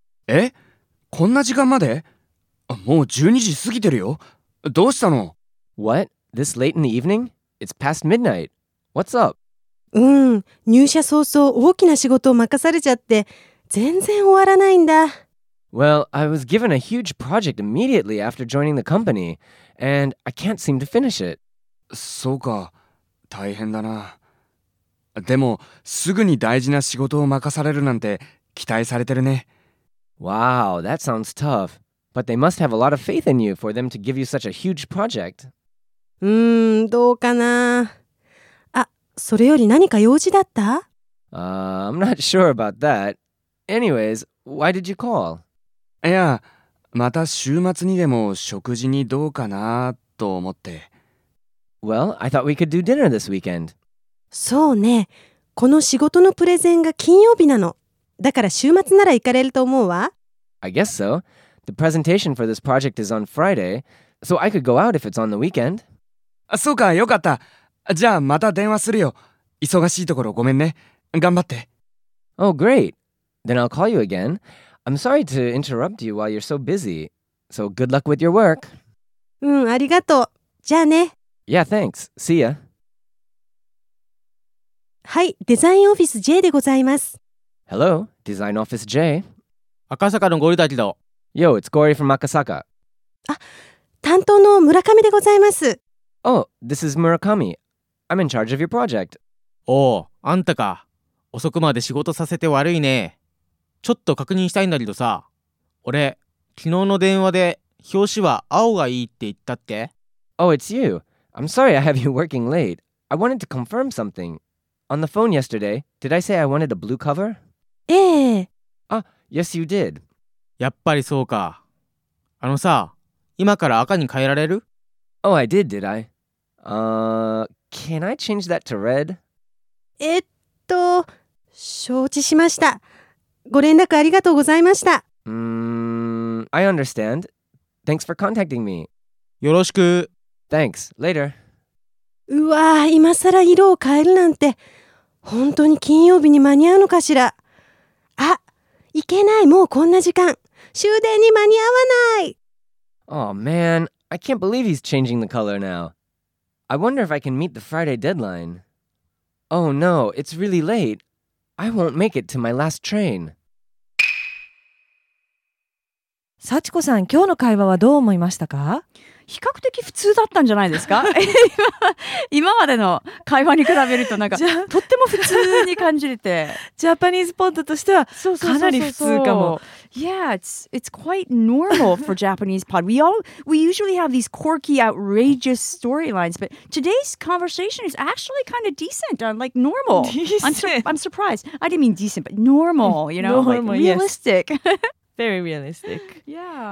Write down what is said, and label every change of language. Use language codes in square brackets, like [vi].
[ja] え？こんな時間まで？もう12時過ぎてるよ。どうしたの？ [en] What? This late in the evening? It's past midnight. What's up? [ja] うん、入社早々大きな仕事を任されちゃって全然終わらないんだ。 [en] Well, I was given a huge project immediately after joining the company, and I can't seem to finish it. [ja] そうか、大変だな。でもすぐに大事な仕事を任されるなんて期待されてるね。 [en] Wow, that sounds tough. But they must have a lot of faith in you for them to give you such a huge project. [ja] どうかな。あ、それより何か用事だった？ [en] I'm not sure about that. Anyways, why did you call? [ja] いや、また週末にでも食事にどうかなと思って。 [en] Well, I thought we could do dinner this weekend. [ja] そうね、この仕事のプレゼンが金曜日なの。だから週末なら行かれると思うわ。 [en] I guess so. The presentation for this project is on Friday, so I could go out if it's on the weekend. [ja] そうか、よかった。じゃあまた電話するよ。忙しいところごめんね。頑張って。 [en] Oh, great. Then I'll call you again. I'm sorry to interrupt you while you're so busy. So good luck with your work. [ja] うん、ありがとう。じゃあね。 [en] Yeah, thanks. See ya. [ja] はい、デザインオフィス J でございます。 [en] Hello, デザインオフィス J。 [ja] 赤坂のゴリだけど。 [en] Yo, it's Gori from 赤坂。 [ja] あ、担当の村上でございます。 [en] Oh, this is Murakami. I'm in charge of your project. [ja] おお、あんたか。遅くまで仕事させて悪いね。ちょっと確認したいんだけどさ、俺昨日の電話で表紙は青がいいって言ったっけ？ [en] Oh, it's you. I'm sorry I have you working late. I wanted to confirm something. On the phone yesterday, did I say I wanted a blue cover? [ja] ええ。 [en] あ、Yes, you did. [ja] やっぱりそうか。あのさ、今から赤に変えられる？ [en] Oh, I did I? Can I change that to red? [ja] 承知しました。ご連絡ありがとうございました。 [en] I understand. Thanks for contacting me. [ja] よろしく。 [en] Thanks. Later. [ja] うわぁ、今さら色を変えるなんて、本当に金曜日に間に合うのかしら。あ、いけない、もうこんな時間。終電に間に合わない。 [en] Oh man, I can't believe he's changing the color now. I wonder if I can meet the Friday deadline. Oh no, it's really late. I won't make it to my last train. [ja] 幸子さん、今日の会話はどう思いましたか？比較的普通だったんじゃないですか？今までの会話に比べるとなんかとっても普通に感じれてジャパニーズポッドとしてはかなり普通かも。 [en] Yeah, it's quite normal for Japanese pod. We usually have these quirky, outrageous storylines, but today's conversation is actually kind of decent, like normal. I'm surprised. I didn't mean decent, but normal, you know, normal, like realistic. Yes. Very realistic. Yeah.